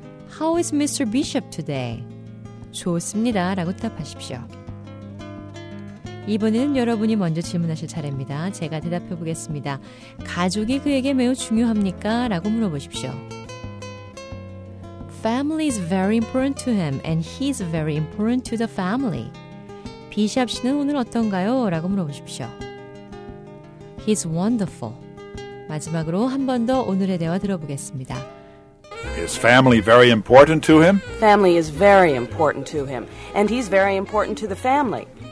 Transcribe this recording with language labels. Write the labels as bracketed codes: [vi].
[en] How is Mr. Bishop today? [ko] 좋습니다. 라고 대답하십시오. 이번에는 여러분이 먼저 질문하실 차례입니다. 제가 대답해 보겠습니다. 가족이 그에게 매우 중요합니까? 라고 물어보십시오. [en] Family is very important to him and he is very important to the family. [ko] 비숍 씨는 오늘 어떤가요? 라고 물어보십시오. [en] He's wonderful. [ko] 마지막으로 한 번 더 오늘의 대화 들어보겠습니다. [en] Is family very important to him? Family is very important to him and he's very important to the family.